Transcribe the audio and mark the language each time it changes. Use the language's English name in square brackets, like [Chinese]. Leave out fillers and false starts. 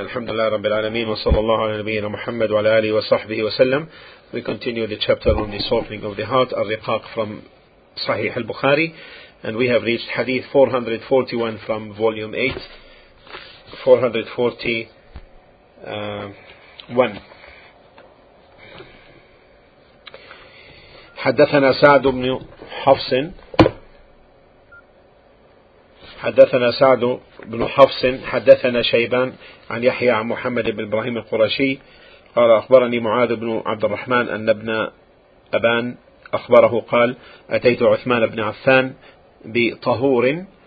[Arabic] الحمد لله رب العالمين وصلى الله على نبينا محمد وعلى آله وصحبه وسلم. [English] We continue the chapter on the softening of the heart, الرقاق, from صحيح البخاري, and we have reached hadith 441 from volume 8, 441. [Arabic] حدثنا سعد بن حفص حدثنا سعد بن حفص حدثنا شيبان عن يحيى عن محمد بن إبراهيم القرشي قال أخبرني معاذ بن عبد الرحمن أن ابن أبان أخبره قال أتيت عثمان بن عفان بطهور